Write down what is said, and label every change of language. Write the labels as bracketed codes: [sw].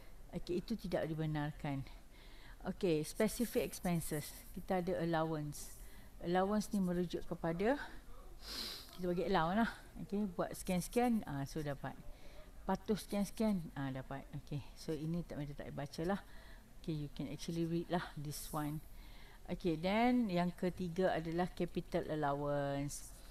[ms] Okay, itu tidak dibenarkan. Okay, specific expenses. Kita ada allowance. Allowance ni merujuk kepada, kita bagi allowance lah. Okay, buat scan-scan, so dapat. Patuh scan-scan, dapat. Okay, so ini tak boleh tak baca lah. [en] Okay, you can actually read lah this one. [ms] Okay, then yang ketiga adalah capital allowance.